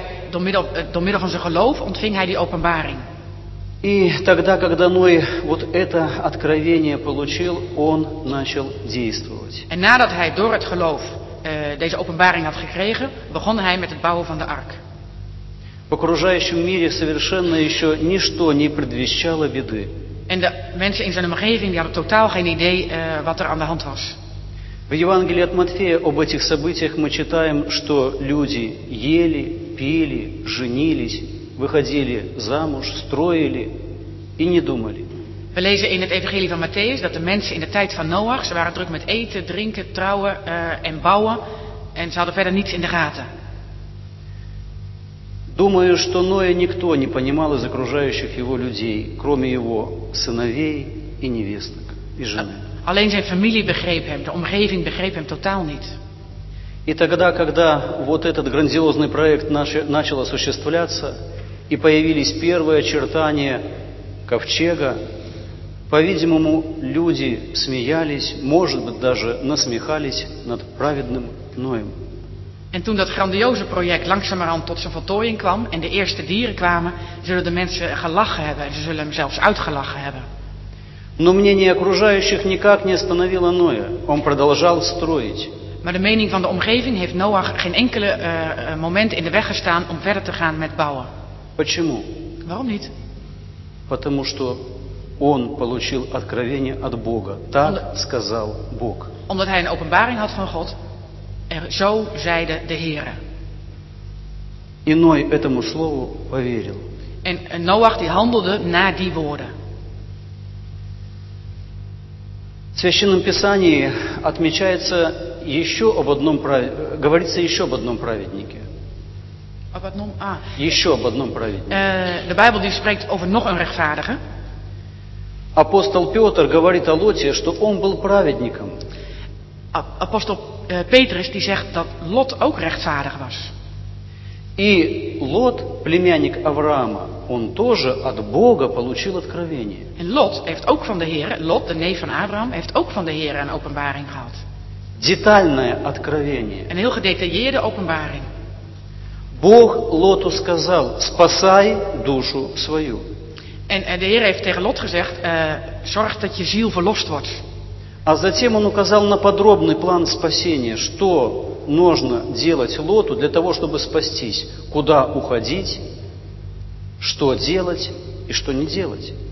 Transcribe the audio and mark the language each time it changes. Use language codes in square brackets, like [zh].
[nl] Door middel van zijn geloof ontving hij die openbaring. [ru] И тогда, когда Ной вот это откровение получил, он начал действовать. [nl] En nadat hij door het geloof deze openbaring had gekregen, begon hij met het bouwen van de ark. [ru] В окружающем мире совершенно еще ничто не предвещало беды. [nl] En de mensen in zijn omgeving die hadden totaal geen idee wat er aan de hand was. [ru] В Евангелии от Матфея об этих событиях мы читаем, что люди ели, пили, женились, выходили замуж, строили и не думали. [nl] We lezen in het Evangelie van Matthäus dat de mensen in de tijd van Noach, ze waren druk met eten, drinken, trouwen en bouwen en ze hadden verder niets in de gaten. [ru] Думаю, что Ноя никто не понимал из окружающих его людей, кроме его сыновей и невесток, и жены. [nl] Alleen zijn familie begreep hem, de omgeving begreep hem totaal niet. [ru] И тогда, когда вот этот грандиозный проект начал осуществляться, и появились первые очертания ковчега, по-видимому, люди смеялись, может быть, даже насмехались над праведным Ноем. [nl] En toen dat grandioze project langzamerhand tot zijn voltooiing kwam en de eerste dieren kwamen, zullen de mensen gelachen hebben en ze zullen hem zelfs uitgelachen hebben. [ru] Но мнение окружающих никак не остановило Ноя. Он продолжал строить. [nl] Maar de mening van de omgeving heeft Noach geen enkele moment in de weg gestaan om verder te gaan met bouwen. [ru] Почему? [nl] Waarom niet? [ru] Потому что он получил откровение от Бога. Так сказал Бог. [nl] Omdat hij een openbaring had van God. En zo zeide de Heere. [ru] И Ной этому слову поверил. [nl] En Noach die handelde na die woorden. [ru] В Священном Писании отмечается еще об одном говорится еще об одном праведнике. Об одном, Еще об одном праведнике. [nl] De Bijbel die spreekt over nog een rechtvaardige. [ru] Апостол Петр говорит о Лоте, что он был праведником. [nl] Апостол Петрус die zegt dat Lot ook rechtvaardig was. [ru] И Лот, племянник Авраама, он тоже от Бога получил откровение. [nl] En Lot heeft ook van de Heere, Lot, de neef van Abraham, heeft ook van de Heere een openbaring gehad. [ru] Детальное откровение. [nl] Een heel gedetailleerde openbaring. [ru] Бог Лоту сказал: спасай душу свою. [nl] En de Heer heeft tegen Lot gezegd: zorg dat je ziel verlost wordt. [ru] А затем он указал на подробный план спасения, что нужно делать Лоту для того, чтобы спастись, куда уходить, что делать и что не делать.